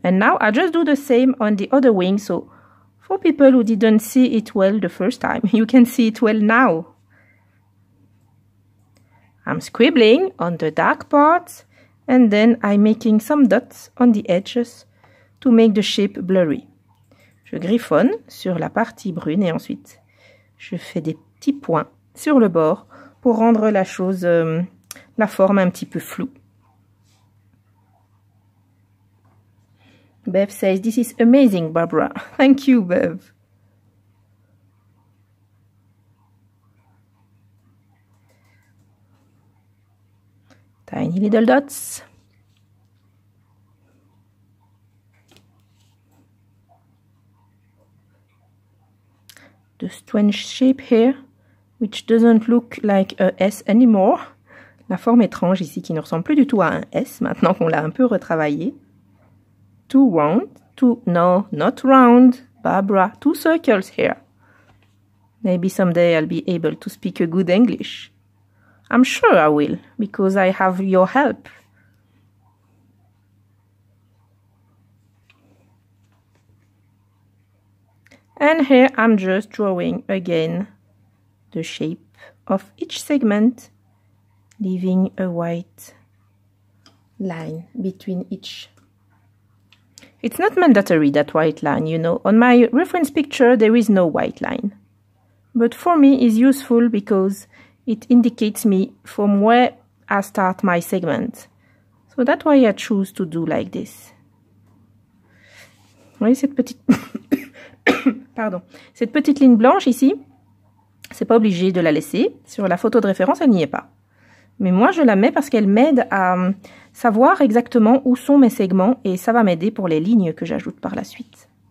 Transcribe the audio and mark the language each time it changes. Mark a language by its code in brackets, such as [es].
[en] And now I just do the same on the other wing. So for people who didn't see it well the first time, you can see it well now. I'm scribbling on the dark part and then I'm making some dots on the edges to make the shape blurry. [fr] Je griffonne sur la partie brune et ensuite je fais des petits points sur le bord pour rendre la chose, la forme un petit peu floue. [en] Bev says, this is amazing, Barbara. Thank you, Bev. Tiny little dots. The strange shape here, which doesn't look like a S anymore. [fr] La forme étrange ici qui ne ressemble plus du tout à un S maintenant qu'on l'a un peu retravaillé. [en] Too round, not round, Barbara, two circles here. Maybe someday I'll be able to speak a good English. I'm sure I will, because I have your help. And here I'm just drawing again the shape of each segment, leaving a white line between each. It's not mandatory, that white line, you know. On my reference picture, there is no white line. But for me, it's useful because it indicates me from where I start my segment. So that's why I choose to do like this. [fr] Voyez cette petite... Pardon. Cette petite ligne blanche ici, c'est pas obligé de la laisser. Sur la photo de référence, elle n'y est pas. Mais moi, je la mets parce qu'elle m'aide à savoir exactement où sont mes segments et ça va m'aider pour les lignes que j'ajoute par la suite.